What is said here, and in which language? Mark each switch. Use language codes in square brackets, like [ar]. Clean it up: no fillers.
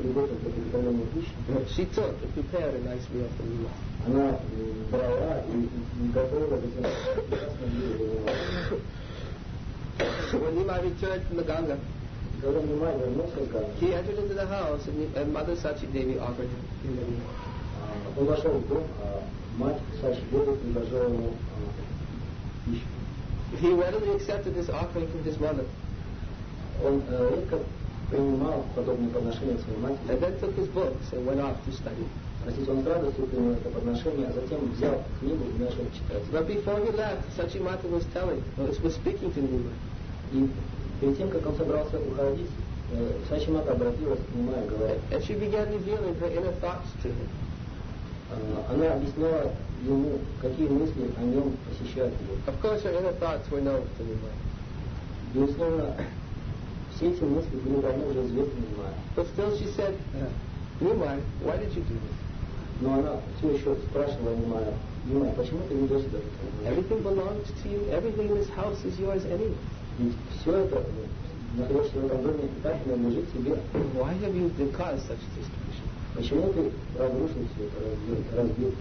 [en] She took and prepared a nice meal for Nima. When Nima returned from the Ganga, he entered into the house and Mother Sachi Devi offered him the meal. [ru] Мать Сачи Деви предложила ему пищу. [en] He readily accepted this offering from his mother. [ru] Он редко принимал подобные подношения от своей матери. [en] And then took his books and went off to study. [ru] Значит, он с радостью принял это подношение, а затем взял книгу и начал читать. [en] But before he left, Сачимата was telling, was speaking to Nima. [ru] И перед тем, как он собрался уходить, Сачимата обратилась к Нима и говорит. [en] And she began revealing her inner thoughts to him. [ru] Она объясняла ему, какие мысли о нем посещают его. [en] Of course, her inner thoughts were known to Nima. [ru] Безусловно, все эти мысли были давно уже известны Нима. [en] But still she said, Nima, why did you do this? [ru] Но она все еще спрашивала Нима, Нима, почему ты ведешь себя так? [en] Everything belongs to you. Everything in this house is yours anyway. [ru] Ведь все это, находящееся в этом доме, и так принадлежит тебе. [en] Why have you caused such destruction? [ru] Почему ты разрушил все это, разбил?